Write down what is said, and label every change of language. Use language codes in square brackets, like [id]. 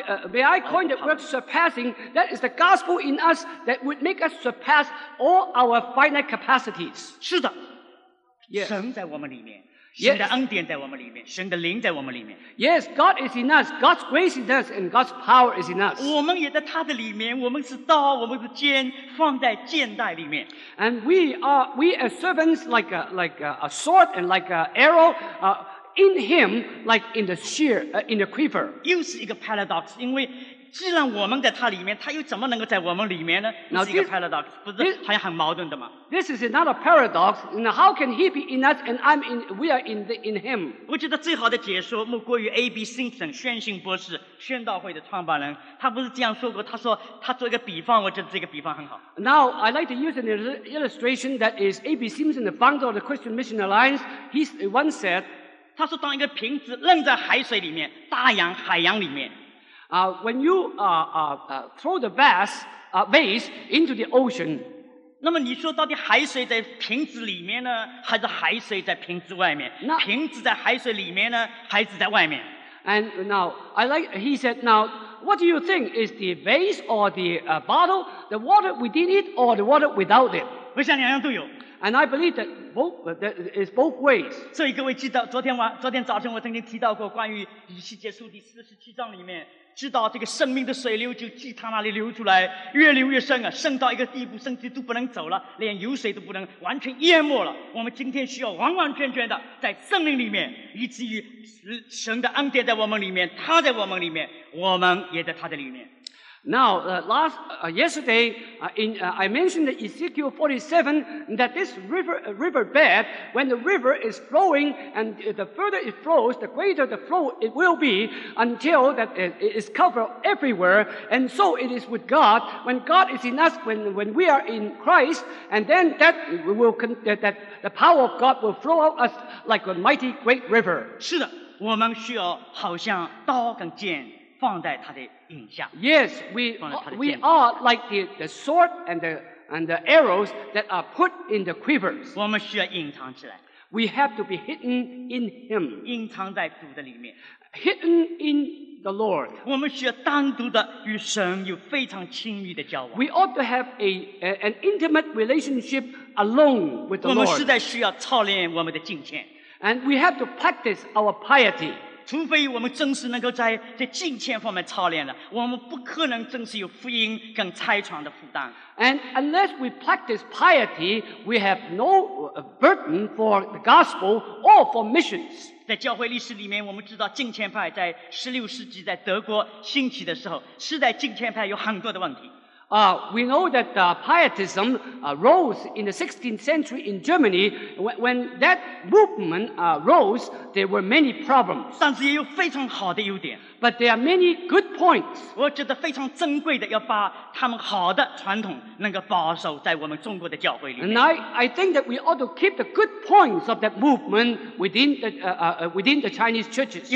[en] May I coin the word surpassing? That is the gospel in us that would make us surpass all our finite capacities. [zh] 是的，神在我们里面，神的恩典在我们里面，神的灵在我们里面。 [en] Yes, God is in us. God's grace is in us, and God's power is in us. [zh] 我们也在他的里面，我们是刀，我们是剑，放在剑袋里面。 [en] And we as servants like a sword and like an arrow. In him, like in the shear, in the quiver. [zh] 又是一个 paradox, 因为既然我们在他里面，他又怎么能够在我们里面呢？又是一个 paradox, 不是还很矛盾的吗？ [en] This is not a paradox. Now, how can he be in us and we are in him? [zh] 我觉得最好的解说莫过于 A.B. Simpson, 宣信博士，宣道会的创办人。他不是这样说过，他说他做一个比方，我觉得这个比方很好。 [en] Now, I'd like to use an illustration that is A.B. Simpson, the founder of the Christian Mission Alliance. He once said, [zh] 他说：“当一个瓶子扔在海水里面，大洋、海洋里面， [en] when you throw the vase into the ocean， [zh] 那么你说到底海水在瓶子里面呢，还是海水在瓶子外面？ [en] Now, [zh] 瓶子在海水里面呢，还是在外面 [en] ？”And now I like he said, now what do you think is the vase or the bottle, the water within it or the water without it？ [zh] 我想两样都有。 [en] And I believe that both that is both ways. [zh] 所以各位知道，昨天早晨我曾经提到过关于以西结书第47章里面，知道这个生命的水流就从他那里流出来，越流越深啊，深到一个地步，甚至都不能走了，连游水都不能，完全淹没了。我们今天需要完完全全的在圣灵里面，以至于神的恩典在我们里面，他在我们里面，我们也在他的里面。 [en] Now, I mentioned Ezekiel 47, that this river bed, when the river is flowing, and the further it flows, the greater the flow it will be, until that it is covered everywhere. And so it is with God. When God is in us, when we are in Christ, and then that will that the power of God will flow out us like a mighty great river. [zh] 是的，我们需要好像刀跟剑。放在他的影下, [en] yes, we are like the sword and the arrows that are put in the quivers. [zh] 我们需要隐藏起来。 [en] We have to be hidden in Him. [zh] 隐藏在主的里面。 [en] Hidden in the Lord. [zh] 我们需要单独的与神有非常亲密的交往。 [en] We ought to have an intimate relationship alone with the Lord. [zh] 我们实在需要操练我们的敬虔。 [en] And we have to practice our piety. [zh] 除非我们真实能够在敬虔方面操练了，我们不可能真实有福音跟拆床的负担。 [en] And unless we practice piety, we have no burden for the gospel or for missions. [zh] 在教会历史里面，我们知道敬虔派在十六世纪在德国兴起的时候，是在敬虔派有很多的问题。 [en] We know that Pietism rose in the 16th century in Germany. When that movement rose, there were many problems. [zh] 但是也有非常好的优点。 [en] But there are many good points. [zh] 我觉得非常珍贵的，要把他们好的传统能够保守在我们中国的教会里面。 [en] And I think that we ought to keep the good points of that movement within the Chinese churches.